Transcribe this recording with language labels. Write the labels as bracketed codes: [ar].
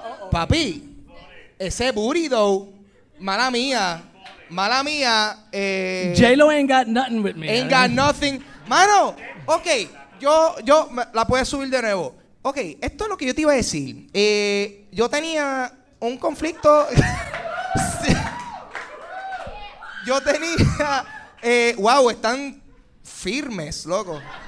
[es] Papi, ese burrito, mala mía. [en] J-Lo ain't got nothing with me. Ain't got nothing. [es] Mano, [en] ok. [es] Yo la voy a subir de nuevo. Ok, esto es lo que yo te iba a decir. Yo tenía un conflicto. Yo tenía... wow, están firmes, loco.